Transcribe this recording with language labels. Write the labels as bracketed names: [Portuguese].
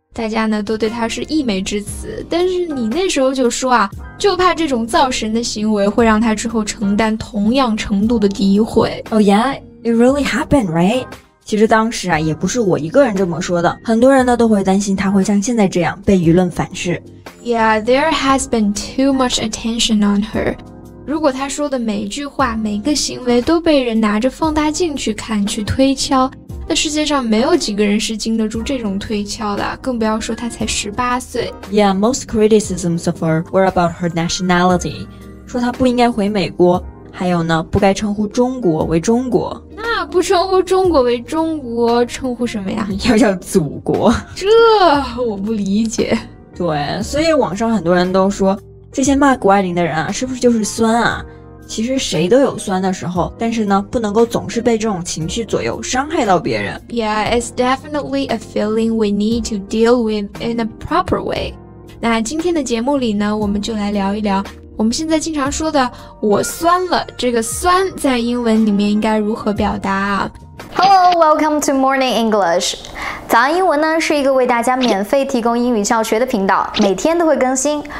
[Chinese] 大家呢都对她是溢美之词，但是你那时候就说啊，就怕这种造神的行为会让她之后承担同样程度的诋毁。 [English] Oh yeah, it really happened, right? [Chinese] 其实当时啊，也不是我一个人这么说的，很多人呢都会担心她会像现在这样被舆论反噬。 [English] Yeah, there has been too much attention on her. [Chinese] 如果她说的每一句话、每个行为都被人拿着放大镜去看、去推敲。那世界上没有几个人是经得住这种推敲的，更不要说她才18岁。 [English] Yeah, most criticisms of her were about her nationality. [Chinese] 说她不应该回美国，还有呢，不该称呼中国为中国。那不称呼中国为中国，称呼什么呀？要叫祖国。这我不理解。对，所以网上很多人都说，这些骂谷爱凌的人啊，是不是就是酸啊？其实谁都有酸的时候，但是呢，不能够总是被这种情绪左右，伤害到别人。 [English] Yeah, it's definitely a feeling we need to deal with in a proper way. [Chinese] 那今天的节目里呢，我们就来聊一聊我们现在经常说的我酸了，这个酸在英文里面应该如何表达啊？ [English] Hello, welcome to Morning English. [Chinese] 早安英文呢是一个为大家免费提供英语教学的频道，每天都会更新。